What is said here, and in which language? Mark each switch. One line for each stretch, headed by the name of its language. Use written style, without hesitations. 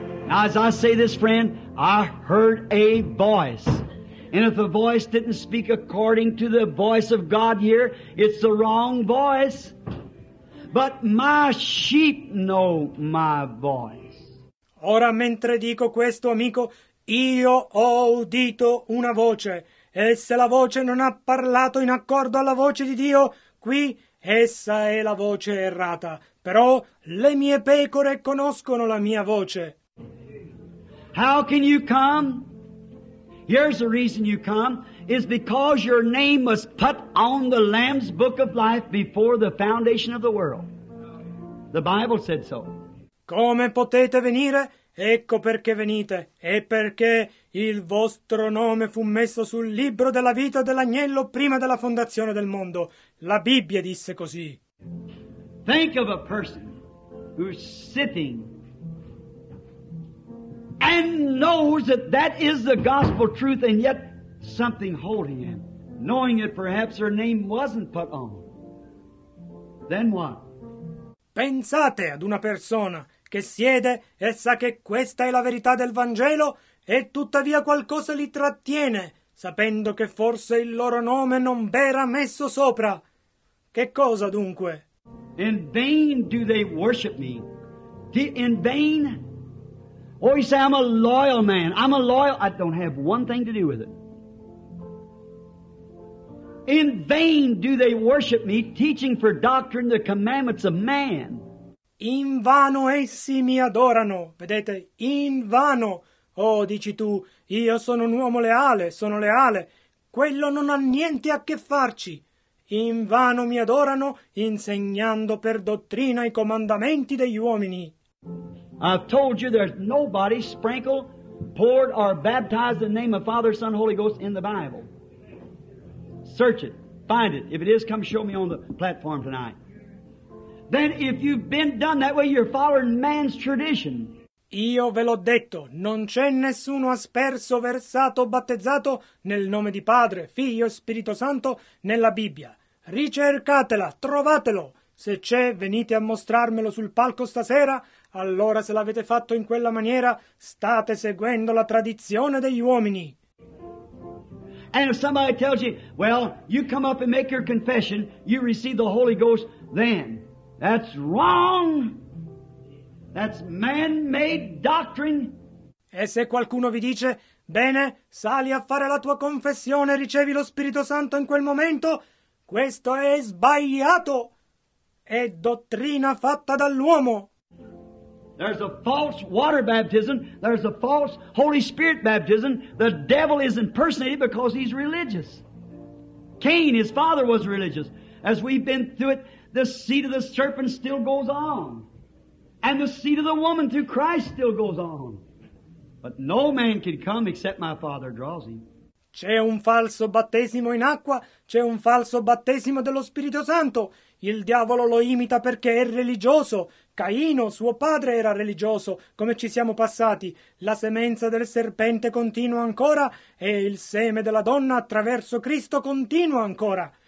English: As I say this, friend, I heard a voice. And if the voice didn't speak according to the voice of God here, it's the wrong voice. But my sheep know my voice.
Italian: Ora, mentre dico questo, amico, io ho udito una voce. E se la voce non ha parlato in accordo alla voce di Dio, qui essa è la voce errata. Però le mie pecore conoscono la mia voce.
English: How can you come? Here's the reason you come, is because your name was put on the Lamb's Book of Life before the foundation of the world. The Bible said so.
Italian: Come potete venire? Ecco perché venite. E perché il vostro nome fu messo sul libro della vita dell'agnello prima della fondazione del mondo. La Bibbia disse così.
English: Think of a person who's sitting and knows that that is the gospel truth, and yet something holding him, knowing that perhaps her name wasn't put on. Then what?
Italian: Pensate ad una persona che siede e sa che questa è la verità del Vangelo, e tuttavia qualcosa li trattiene, sapendo che forse il loro nome non verrà messo sopra. Che cosa dunque?
English: In vain do they worship me. In vain. Or you say, I'm a loyal man. I'm a loyal... I don't have one thing to do with it. In vain do they worship me, teaching for doctrine the commandments of man.
Italian: In vano essi mi adorano. Vedete, in vano. Oh, dici tu, io sono un uomo leale, sono leale. Quello non ha niente a che farci. In vano mi adorano, insegnando per dottrina i comandamenti degli uomini.
English: I've told you there's nobody sprinkled, poured, or baptized in the name of Father, Son, Holy Ghost in the Bible. Search it. Find it. If it is, come show me on the platform tonight. Then if you've been done that way, you're following man's tradition.
Italian: Io ve l'ho detto, non c'è nessuno asperso, versato, battezzato nel nome di Padre, Figlio e Spirito Santo nella Bibbia. Ricercatela, trovatelo. Se c'è, venite a mostrarmelo sul palco stasera. Allora, se l'avete fatto in quella maniera, state seguendo la tradizione degli uomini.
English: And if somebody tells you, well, you come up and make your confession, you receive the Holy Ghost, then that's wrong. That's man-made doctrine.
Italian: E se qualcuno vi dice, bene, sali a fare la tua confessione, ricevi lo Spirito Santo in quel momento, questo è sbagliato. È dottrina fatta dall'uomo.
English: There's a false water baptism, there's a false Holy Spirit baptism. The devil is impersonated because he's religious. Cain, his father, was religious. As we've been through it, the seed of the serpent still goes on. And the seed of the woman through Christ still goes on. But no man can come except my Father draws him.
Italian: C'è un falso battesimo in acqua, c'è un falso battesimo dello Spirito Santo. Il diavolo lo imita perché è religioso. Caino, suo padre, era religioso, come ci siamo passati. La semenza del serpente continua ancora e il seme della donna attraverso Cristo continua ancora.